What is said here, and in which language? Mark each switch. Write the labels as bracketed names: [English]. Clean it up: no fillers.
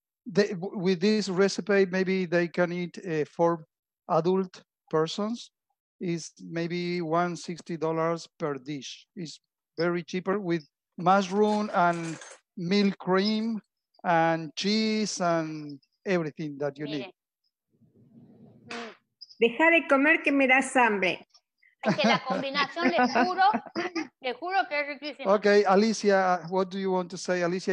[English] with this recipe, maybe they can eat four adult persons. Is maybe $160 per dish. It's very cheaper with mushroom and milk cream and cheese and everything that you need. [Spanish] Deja de comer que me das hambre. Es que la combinación, le juro que es riquísima. [English] Okay, Alicia, what do you want to say, Alicia?